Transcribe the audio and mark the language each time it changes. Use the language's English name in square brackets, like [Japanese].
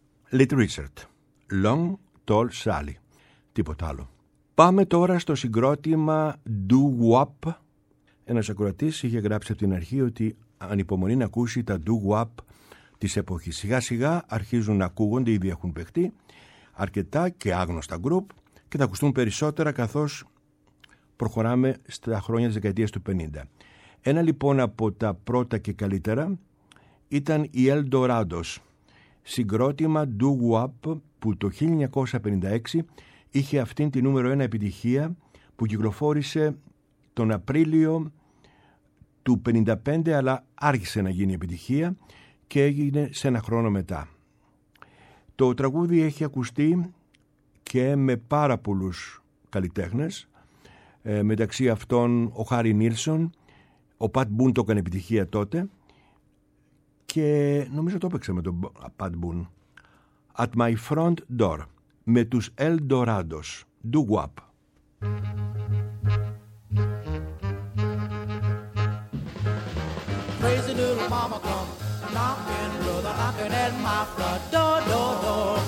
[Greek] Little Richard, Long Tall Sally, τίποτα άλλο. Πάμε τώρα στο συγκρότημα Doo-Wop. Ένας ακροατής είχε γράψει από την αρχή ότι ανυπομονεί να ακούσει τα Doo-Wop της εποχής. Σιγά σιγά αρχίζουν να ακούγονται, ήδη έχουν παιχτεί αρκετά και άγνωστα γκρουπ και θα ακουστούν περισσότερα καθώς προχωράμε στα χρόνια της δεκαετίας του 50. Ένα λοιπόν από τα πρώτα και καλύτερα ήταν η El Dorados, συγκρότημα Doo-Wop που το 1956 είχε αυτήν τη νούμερο ένα επιτυχία που κυκλοφόρησε τον Απρίλιο του 55, αλλά άρχισε να γίνει επιτυχία και έγινε σε ένα χρόνο μετά. Το τραγούδι έχει ακουστεί και με πάρα πολλούς καλλιτέχνες, μεταξύ αυτών ο Χάρι Νίλσον, ο Πατ Μπούν το έκανε επιτυχία τότε και νομίζω το έπαιξε με τον Πατ Μπούν. At my front door, με τους El Dorados, Doo-Wop. [English] Crazy little mama come knocking, brother, knocking at my front door, door, door.